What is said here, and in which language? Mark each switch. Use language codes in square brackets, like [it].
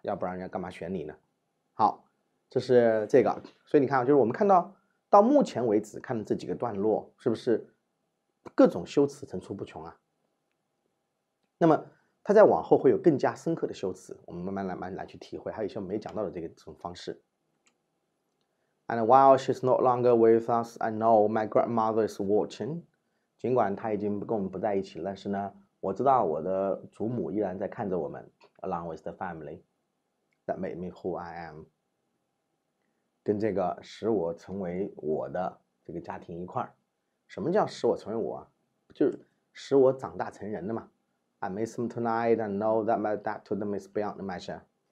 [zh] 要不然人家干嘛选你呢？好。就是这个，所以你看啊，就是我们看到目前为止看的这几个段落，是不是各种修辞层出不穷啊？那么它再往后会有更加深刻的修辞，我们慢慢来去体会，还有一些没讲到的这种方式。 [en] And while she's no longer with us, I know my grandmother is watching。 [zh] 尽管她已经跟我们不在一起，但是呢，我知道我的祖母依然在看着我们。 [en] Along with the family that made me who I am。 [zh] 跟这个使我成为我的这个家庭一块儿，什么叫使我成为我啊？就是使我长大成人的嘛。 [en] I miss him tonight and know that my dad to them is beyond measure。